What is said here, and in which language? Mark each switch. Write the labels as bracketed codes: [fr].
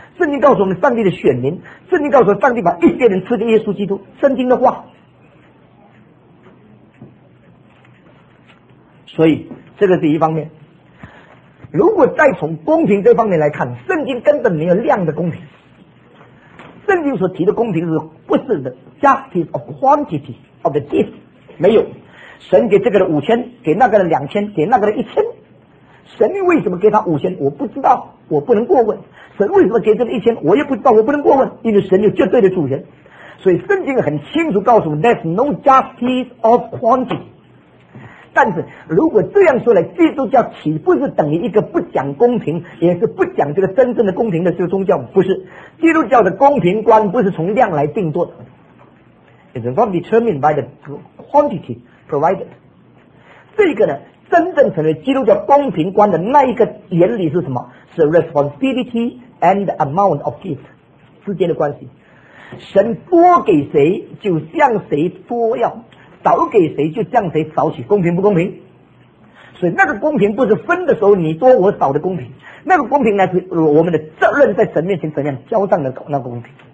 [zh] 圣经告诉我们，上帝的选民，圣经告诉我们，上帝把一些人赐给耶稣基督。圣经的话，所以这个是一方面。如果再从公平这方面来看，圣经根本没有量的公平。圣经所提的公平是不是 [en] the justice of quantity of the gift？ [zh] 没有，神给这个人五千，给那个人两千，给那个人一千。神为什么给他五千？我不知道，我不能过问。神为什么给这个一千？我也不知道，我不能过问。因为神有绝对的主权，所以圣经很清楚告诉我们 ， [en] There's no justice of quantity。 [zh] 但是如果这样说来，基督教岂不是等于一个不讲公平，也是不讲这个真正的公平的这个宗教？不是，基督教的公平观不是从量来定夺的 ， [en] It's not determined by the quantity provided。 [zh] 这个呢？真正成为基督教公平观的那一个原理是什么？是 [en] responsibility and the amount of gift [zh] 之间的关系。神多给谁就向谁多要，少给谁就向谁少取，公平不公平？所以那个公平不是分的时候你多我少的公平，那个公平呢是我们的责任在神面前怎样交上的那个公平。